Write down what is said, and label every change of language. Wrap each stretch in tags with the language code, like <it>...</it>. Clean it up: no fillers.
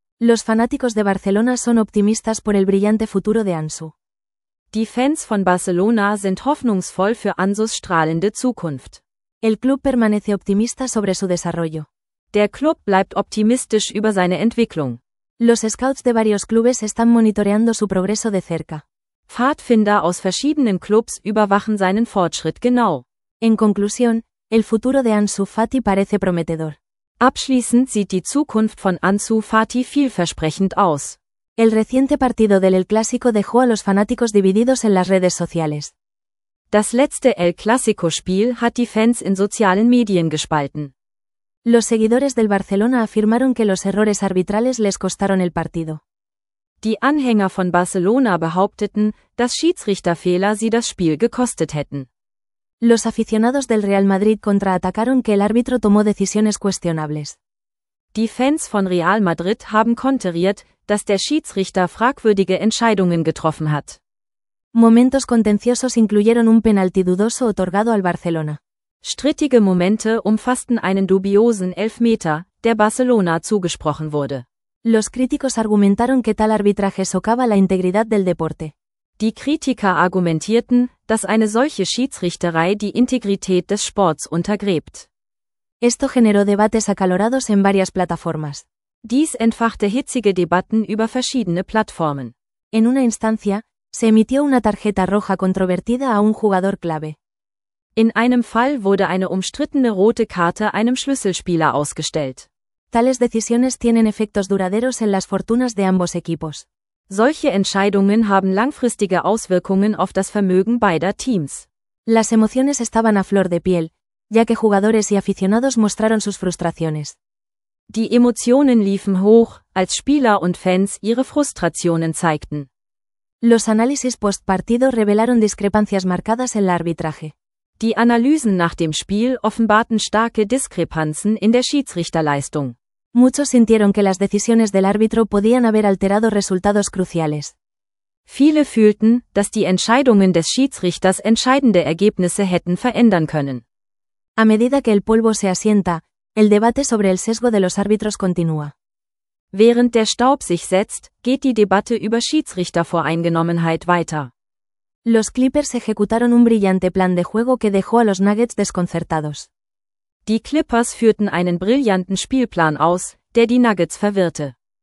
<es>Los fanáticos de Barcelona son optimistas por el brillante futuro de Ansu.</es> <de>Die Fans von Barcelona sind hoffnungsvoll für Ansus strahlende Zukunft.</de> <es>El club permanece optimista sobre su desarrollo.</es> <de>Der Club bleibt optimistisch über seine Entwicklung.</de> <es>Los scouts de varios clubes están monitoreando su progreso de cerca.</es> <de>Pfadfinder aus verschiedenen Clubs überwachen seinen Fortschritt genau.</de> <es>En conclusión, el futuro de Ansu Fati parece prometedor.</es> <de>Abschließend sieht die Zukunft von Ansu Fati vielversprechend aus.</de> <es>El reciente partido del El Clásico dejó a los fanáticos divididos en las redes sociales.</es> <de>Das letzte El Clásico-Spiel hat die Fans in sozialen Medien gespalten.</de> <es>Los seguidores del Barcelona afirmaron que los errores arbitrales les costaron el partido.</es> <de>Die Anhänger von Barcelona behaupteten, dass Schiedsrichterfehler sie das Spiel gekostet hätten.</de> <es>Los aficionados del Real Madrid contraatacaron que el árbitro tomó decisiones cuestionables.</es> <de>Die Fans von Real Madrid haben konteriert, dass der Schiedsrichter fragwürdige Entscheidungen getroffen hat.</de> <es>Momentos contenciosos incluyeron un penalti dudoso otorgado al Barcelona.</es> <de>Strittige Momente umfassten einen dubiosen Elfmeter, der Barcelona zugesprochen wurde.</de> <es>Los críticos argumentaron que tal arbitraje socava la integridad del deporte.</es> <de>Die Kritiker argumentierten, dass eine solche Schiedsrichterei die Integrität des Sports untergräbt.</de> <es>Esto generó debates acalorados en varias plataformas.</es> <de>Dies entfachte hitzige Debatten über verschiedene Plattformen.</de> <es>En una instancia, se emitió una tarjeta roja controvertida a un jugador clave.</es> <de>In einem Fall wurde eine umstrittene rote Karte einem Schlüsselspieler ausgestellt.</de> <es>Tales decisiones tienen efectos duraderos en las fortunas de ambos equipos.</es> <de>Solche Entscheidungen haben langfristige Auswirkungen auf das Vermögen beider Teams.</de> <es>Las emociones estaban a flor de piel, ya que jugadores y aficionados mostraron sus frustraciones.</es> <de>Die Emotionen liefen hoch, als Spieler und Fans ihre Frustrationen zeigten.</de> <es>Los análisis post-partido revelaron discrepancias marcadas en el arbitraje.</es> <de>Die Analysen nach dem Spiel offenbarten starke Diskrepanzen in der Schiedsrichterleistung.</de> <es>Muchos sintieron que las decisiones del árbitro podían haber alterado resultados cruciales.</es> <de>Viele fühlten, dass die Entscheidungen des Schiedsrichters entscheidende Ergebnisse hätten verändern können.</de> <es>A medida que el polvo se asienta, el debate sobre el sesgo de los árbitros continúa.</es> <de>Während der Staub sich setzt, geht die Debatte über Schiedsrichtervoreingenommenheit weiter.</de> <es>Los Clippers ejecutaron un brillante plan de juego que dejó a los Nuggets desconcertados.</es> <de>Die Clippers führten einen brillanten Spielplan aus, der die Nuggets verwirrte.</de>